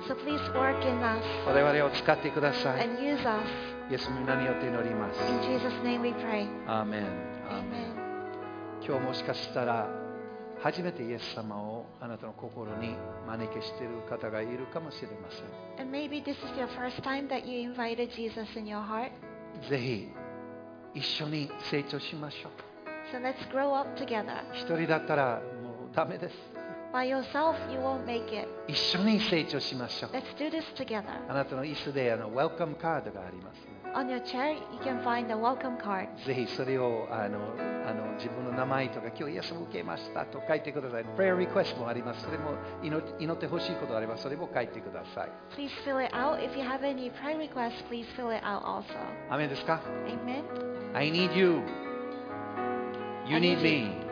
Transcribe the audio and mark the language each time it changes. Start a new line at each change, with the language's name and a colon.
English: So please work in us.
Japanese: 我々を使ってください。
English: And use us.
Japanese: イエス様によって祈ります。
English: In Jesus' name we pray.
Japanese: アーメン。アーメン。今日もしかしたら初めてイエス様をあなたの心に招きしている方がいるかもしれません。
English: And maybe this is your first time that you invited Jesus in your heart.
Japanese: ぜひ一緒に成長しましょう。
English: So let's grow up together.
Japanese: 一人だったらもうダメです。
English: By yourself, you won't make it.
Japanese: 一緒に成長しましょう。
English: Let's do this together.
Japanese: あなたの椅子であのウェルカムカードがあります。
English: On your chair, you can find the welcome card.
Japanese: ぜひそれをあの自分の名前とか今日イエス様受けましたと書いてください。
English: Prayer request
Japanese: もあります。それも祈ってほしいことがあればそれも書いてください。
English: Please fill it out. If you have any prayer request, please fill it out also.
Japanese: アメンですか？
English: Amen. I need you. You need me.